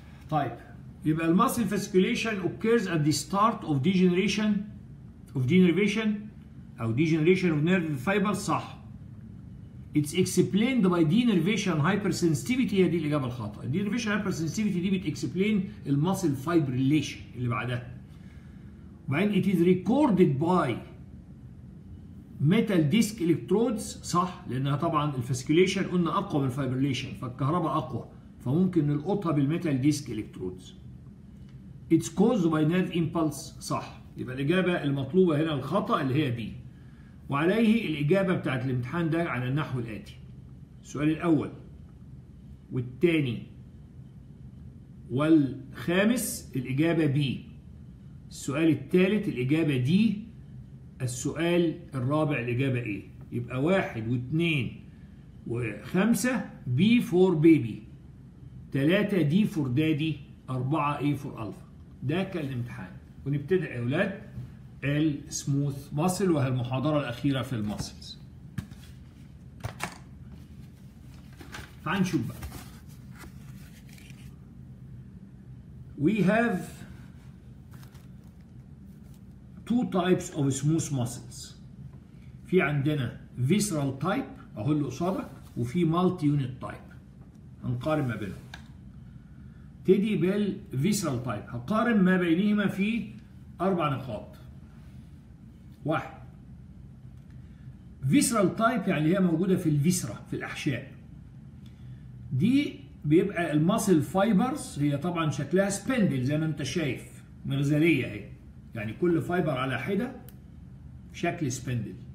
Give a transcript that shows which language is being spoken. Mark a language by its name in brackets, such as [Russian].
[Arabic] طيب يبقى [English] الماسل fasciculation occurs at the start of degeneration of degeneration أو degeneration of nerve fibers صح. It's explained by denervation hypersensitivity، [Arabic] هي دي الإجابة الخاطئة. [English] denervation hypersensitivity دي بتexplain muscle fibrillation [Arabic] اللي بعدها. وبعدين [English] it is recorded by metal disc electrodes [Arabic] صح، لأنها طبعا الفاسكيليشن قلنا أقوى من fibrillation، فالكهرباء أقوى فممكن نلقطها بالmetal disc electrodes. [English] It's caused by nerve impulse صح. [Arabic] يبقى الإجابة المطلوبة هنا الخطأ اللي هي دي، وعليه الإجابة بتاعت الامتحان ده على النحو الآتي. السؤال الأول والثاني والخامس الإجابة بي، السؤال الثالث الإجابة دي، السؤال الرابع الإجابة إيه. يبقى واحد واثنين وخمسة بي فور بيبي، ثلاثة دي فور دادي، أربعة إيه فور ألفا. ده كان الامتحان. ونبتدأ يا أولاد السموث ماسل، وهي المحاضرة الأخيرة في الماسلز. تعال نشوف بقى. [English] We have two types of smooth muscles. [Arabic] في عندنا visceral type أهو اللي قصادك، وفي multi unit type. هنقارن ما بينهم. تدي بال visceral type. هقارن ما بينهما في أربع نقاط. واحد، visceral type يعني هي موجودة في الفيسرة في الأحشاء، دي بيبقى المسل فايبرز هي طبعا شكلها سبندل زي ما انت شايف، مغزلية هي يعني كل فايبر على حدة شكل سبندل،